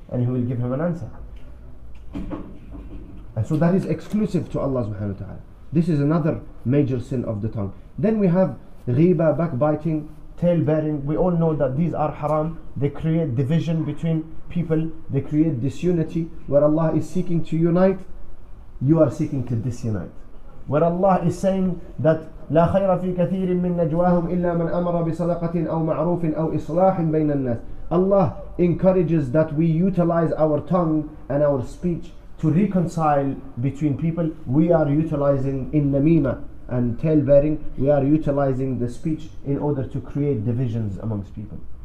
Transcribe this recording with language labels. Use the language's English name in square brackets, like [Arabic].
[English] And he will give him an answer. And so that is exclusive to Allah subhanahu wa ta'ala. This is another major sin of the tongue. Then we have ghibah, backbiting, tail bearing. We all know that these are haram. They create division between people. They create disunity. Where Allah is seeking to unite, you are seeking to disunite. Where Allah is saying that [Arabic] لا خير في كثير من نجواهم إلا من أمر بصدقة أو معروف أو إصلاح بين الناس. [English] Allah encourages that we utilize our tongue and our speech to reconcile between people. We are utilizing in namima and tail bearing, we are utilizing the speech in order to create divisions amongst people.